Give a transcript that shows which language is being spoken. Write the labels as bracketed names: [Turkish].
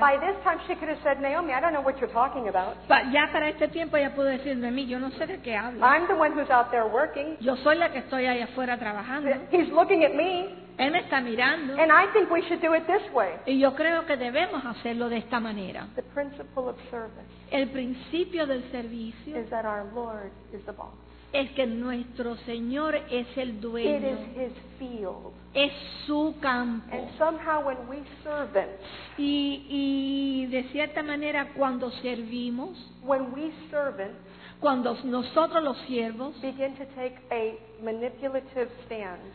[English] By this time she could have said, Naomi, I don't know what you're talking about. [Spanish] Ya para este tiempo ella pudo decir, Naomi, yo no sé de qué hablo. [English] I'm the one who's out there working. [Spanish] Yo soy la que estoy ahí afuera trabajando. [English] He's looking at me. [Spanish] Él me está mirando. [English] And I think we should do it this way. [Spanish] Y yo creo que debemos hacerlo de esta manera. [English] The principle of service. [Spanish] El principio del servicio. [English] Is that our Lord is the boss. [Spanish] Es que nuestro Señor es el dueño. [English] It is his field. [Spanish] Es su campo. [English] And somehow when we serve him. [Spanish] Y de cierta manera cuando servimos. [English] When we serve him. [Spanish] Cuando nosotros los siervos [English] begin to take a manipulative stand,